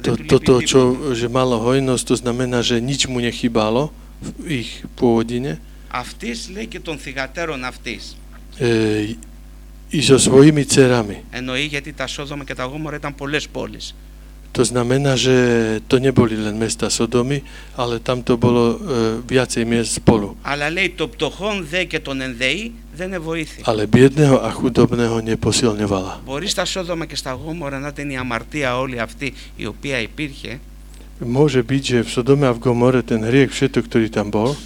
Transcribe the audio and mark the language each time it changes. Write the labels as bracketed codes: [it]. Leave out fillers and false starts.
[sk] Toto, čo že malo hojnosť, to znamená, že nič mu nechybalo v ich pôvodine. [el] Αυτής λέει και των θυγατέρων αυτής. [sk] I so svojimi dcerami. [el] Εννοεί, γιατί τα Σόδομα και τα Γόμορα ήταν πολλές πόλεις. [sk] To znamená, že to neboli len mesta Sodomy, ale tam to bolo viacej miest spolu. [el] Αλλά λέει, το πτωχόν δε και τον ενδέει, δεν εβοήθηκε. [sk] Ale biedného a chudobného neposilňovala. [el] Μπορεί στα Σόδομα και στα Γόμορα να ήταν η αμαρτία όλη αυτή η οποία υπήρχε. [sk] Môže byť, že v Sodome a v Gomore ten hriech všetok, ktorý tam bol.